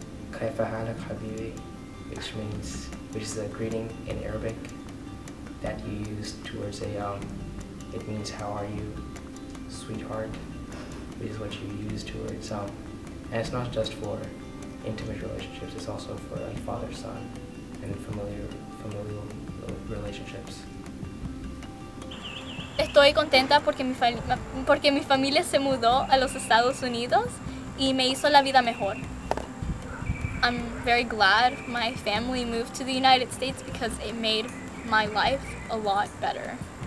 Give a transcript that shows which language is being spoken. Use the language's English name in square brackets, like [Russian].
[Arabic] Kaifahalak habibi, [English] which is a greeting in Arabic that you use towards it means how are you, sweetheart, which is what you use towards, and it's not just for intimate relationships, it's also for like father, son, and familial relationships. [Spanish] Estoy contenta porque mi familia se mudó a los Estados Unidos y me hizo la vida mejor. [English] I'm very glad my family moved to the United States because it made my life a lot better.